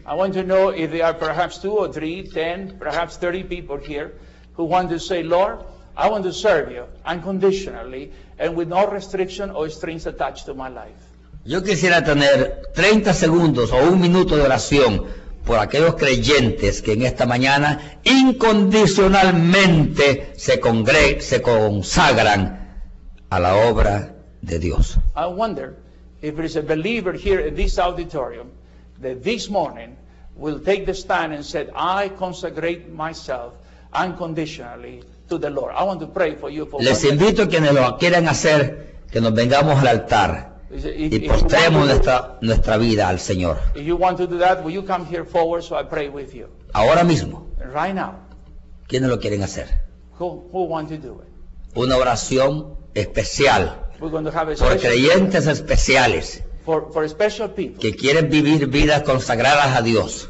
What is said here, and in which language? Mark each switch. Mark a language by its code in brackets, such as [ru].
[en] I want to know if there are perhaps 2 or 3, 10, perhaps 30 people here who want to say, Lord, I want to serve you unconditionally and with no restriction or strings attached to my life. [es] Yo quisiera tener 30 segundos o un minuto de oración por aquellos creyentes que en esta mañana incondicionalmente se consagran a la obra de Dios. [en] I wonder if there is a believer here in this auditorium that this morning will take the stand and said, I consecrate myself unconditionally to the Lord. I want to pray for you. For [es] les invito a quienes lo quieran hacer que nos vengamos al altar y postremos nuestra vida al Señor. [en] If you want to do that, will you come here forward so I pray with you? [es] Ahora mismo. [en] Right now. [es] ¿Quiénes lo quieren hacer? [en] Who want to do it? [es] Una oración especial. [en] We're going to have a special [es] por creyentes [en] prayer. [es] Especiales. [en] For special people. [es] Que quieren vivir vidas consagradas a Dios.